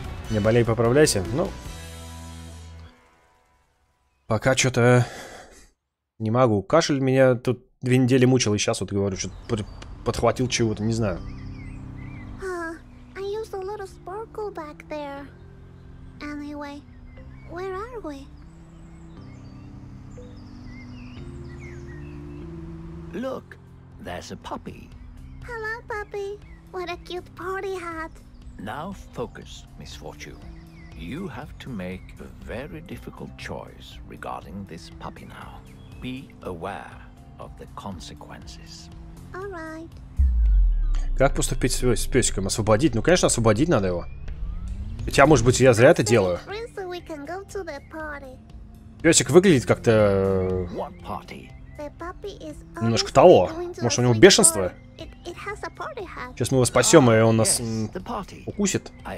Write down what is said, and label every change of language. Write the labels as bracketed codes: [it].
[ru] Не болей, поправляйся. Ну, пока что-то не могу. Кашель меня тут две недели мучил, и сейчас вот говорю, что подхватил чего-то, не знаю. [en] I used a little sparkle back there. Anyway, where are we? Look, there's a puppy. Hello, puppy. What a cute party hat. Now focus, Miss Fortune. You have to make a very difficult choice regarding this puppy now. Be aware of the consequences. All right. [ru] Как поступить с песиком? Освободить? Ну, конечно, освободить надо его. Хотя, может быть, я зря это делаю. [en] So we can go to the party. [ru] Песик выглядит как-то... [en] What party? [ru] Немножко того. Может, у него бешенство? Сейчас мы его спасем, и он нас укусит.